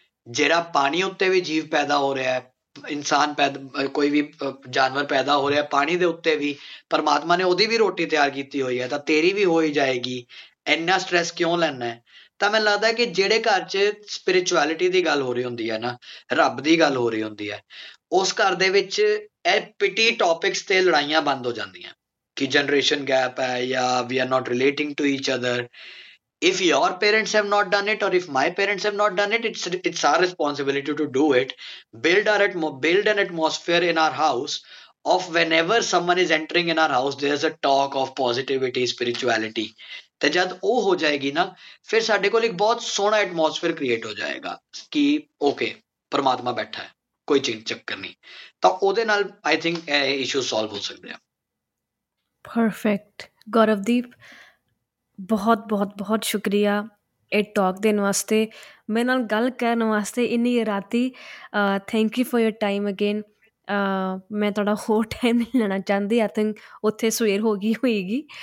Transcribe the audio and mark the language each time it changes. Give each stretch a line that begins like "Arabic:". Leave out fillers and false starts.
Punjabi: ਜਿਹੜਾ ਪਾਣੀ ਉੱਤੇ ਵੀ ਜੀਵ ਪੈਦਾ ਹੋ ਰਿਹਾ, ਇਨਸਾਨ ਪੈਦਾ, ਕੋਈ ਵੀ ਜਾਨਵਰ ਪੈਦਾ ਹੋ ਰਿਹਾ ਪਾਣੀ ਦੇ ਉੱਤੇ ਵੀ, ਪਰਮਾਤਮਾ ਨੇ ਉਹਦੀ ਵੀ ਰੋਟੀ ਤਿਆਰ ਕੀਤੀ ਹੋਈ ਹੈ, ਤਾਂ ਤੇਰੀ ਵੀ ਹੋ ਹੀ ਜਾਏਗੀ, ਇੰਨਾ ਸਟ੍ਰੈਸ ਕਿਉਂ ਲੈਣਾ? ਤਾਂ ਮੈਨੂੰ ਲੱਗਦਾ ਕਿ ਜਿਹੜੇ ਘਰ 'ਚ ਸਪਿਰਿਚੁਅਲਿਟੀ ਦੀ ਗੱਲ ਹੋ ਰਹੀ ਹੁੰਦੀ ਹੈ ਨਾ, ਰੱਬ ਦੀ ਗੱਲ ਹੋ ਰਹੀ ਹੁੰਦੀ ਹੈ, ਉਸ ਘਰ ਦੇ ਵਿੱਚ ਇਹ ਪਿਟੀ ਟੋਪਿਕਸ 'ਤੇ ਲੜਾਈਆਂ ਬੰਦ ਹੋ ਜਾਂਦੀਆਂ ਕਿ ਜਨਰੇਸ਼ਨ ਗੈਪ ਹੈ ਜਾਂ
English: We are not relating to each other. if your parents have not done it or if my parents have not done it, it's our responsibility to do it. Build an atmosphere in our house of whenever someone is entering in our house, there's a talk of positivity, spirituality.
Punjabi: ਤੇ ਜਦ ਉਹ ਹੋ ਜਾਏਗੀ ਨਾ ਫਿਰ ਸਾਡੇ ਕੋਲ ਇੱਕ ਬਹੁਤ ਸੋਹਣਾ ਐਟਮੋਸਫੇਅਰ ਕ੍ਰੀਏਟ ਹੋ ਜਾਏਗਾ ਕਿ ਓਕੇ ਪਰਮਾਤਮਾ ਬੈਠਾ ਹੈ ਕੋਈ ਚੱਕਰ ਨਹੀਂ ਤਾਂ ਉਹਦੇ ਨਾਲ
English: I think
Punjabi: ਇਹ ਇਸ਼ੂ ਸੋਲਵ ਹੋ ਸਕਦੇ ਆ ਪਰਫੈਕਟ ਗੌਰਵਦੀਪ ਬਹੁਤ ਬਹੁਤ ਬਹੁਤ ਸ਼ੁਕਰੀਆ ਇਹ ਟੋਕ ਦੇਣ ਵਾਸਤੇ ਮੇਰੇ ਨਾਲ ਗੱਲ ਕਰਨ ਵਾਸਤੇ ਇੰਨੀ ਰਾਤੀ
English: thank you for your time again
Punjabi: ਮੈਂ ਤੁਹਾਡਾ ਹੋਰ ਟਾਈਮ ਨਹੀਂ ਲੈਣਾ ਚਾਹੁੰਦੀ
English: I think
Punjabi: ਉੱਥੇ ਸਵੇਰ ਹੋ ਗਈ ਹੋਏਗੀ